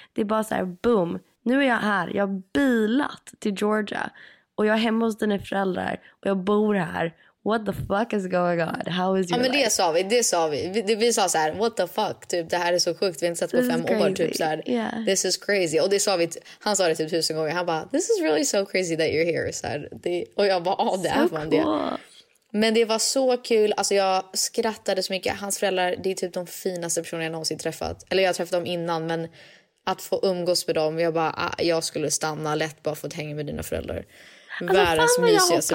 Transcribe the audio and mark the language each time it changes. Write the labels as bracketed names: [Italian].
[Swedish] Det är bara så här, boom. Nu är jag här. Jag har bilat till Georgia. Och jag är hemma hos dina föräldrar. Och jag bor här. [English] What the fuck is going on? How is your [Swedish] life? Ja, men det sa vi. Det sa vi. Vi sa så här, [English] what the fuck? [Swedish] Typ, det här är så sjukt. Vi har inte sett på 5 år. Typ, så här, [English] yeah. This is crazy. [Swedish] Och det sa vi. Han sa det typ 1000 gånger. Han bara, [English] this is really so crazy that you're here. [Swedish] Så här, det, och jag bara, oh, det [English] so [Swedish] är fan cool. Det. Men det var så kul. Alltså jag skrattade så mycket. Hans föräldrar, det är typ de finaste personer jag någonsin träffat. Eller jag har träffat dem innan, men att få umgås med dem, jag bara, jag skulle stanna lätt bara för att hänga med dina föräldrar. Världens mysigaste personer.